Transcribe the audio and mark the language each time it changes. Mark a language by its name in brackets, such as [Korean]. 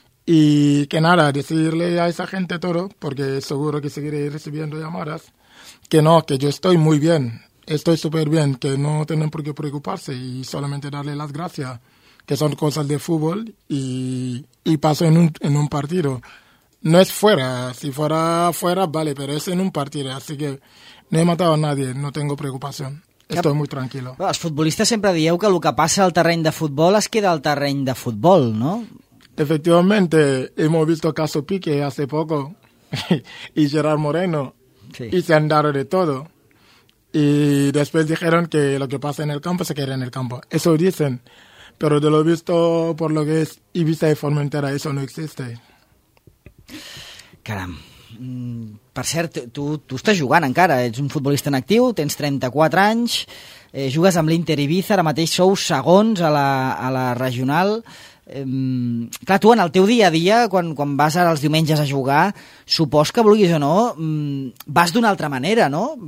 [Spanish] Y que nada, decirle a esa gente todo, porque seguro que seguiré recibiendo llamadas, que no, que yo estoy muy bien, estoy súper bien, que no tienen por qué preocuparse y solamente darle las gracias, que son cosas de fútbol y paso en un partido. No es fuera, si fuera fuera, vale, pero es en un partido, así que no he matado a nadie, no tengo preocupación, estoy muy tranquilo. [Catalan] Però els futbolistes sempre dieu que el que passa al terreny de futbol es queda al terreny de futbol, no? [Spanish] Efectivamente, hemos visto caso Pique hace poco y Gerard Moreno, sí. Y se han dado de todo. Y después dijeron que lo que pasa en el campo se queda en el campo, eso dicen, pero de lo visto por lo que es Ibiza y Formentera, eso no existe. [Catalan] Caram, per cert, tu estàs jugant encara, ets un futbolista en actiu, tens 34 anys, jugues amb l'Inter Ibiza, ara mateix sou segons a la regional. Clar, tu en el teu dia a dia, quan vas ara els diumenges a jugar, supos que vulguis o no, vas d'una altra manera, no?